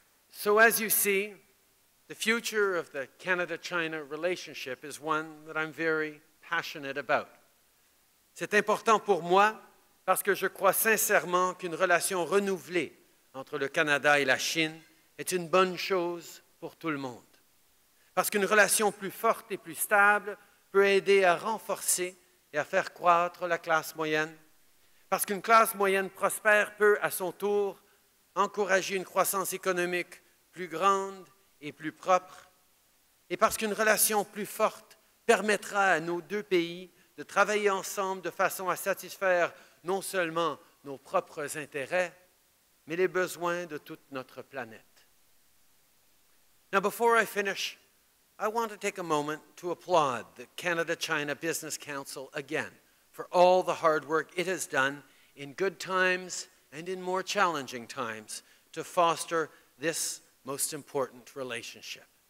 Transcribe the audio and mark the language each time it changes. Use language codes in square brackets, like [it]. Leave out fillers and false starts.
[en] So as you see, the future of the Canada-China relationship is one that I'm very passionate about. [fr] C'est important pour moi parce que je crois sincèrement qu'une relation renouvelée entre le Canada et la Chine est une bonne chose pour tout le monde. Parce qu'une relation plus forte et plus stable peut aider à renforcer et à faire croître la classe moyenne. Parce qu'une classe moyenne prospère peut, à son tour, encourager une croissance économique plus grande et plus propre. Et parce qu'une relation plus forte permettra à nos deux pays de travailler ensemble de façon à satisfaire non seulement nos propres intérêts, mais les besoins de toute notre planète. [en] Now, before I finish, I want to take a moment to applaud the Canada-China Business Council again for all the hard work it has done in good times and in more challenging times to foster this most important relationship.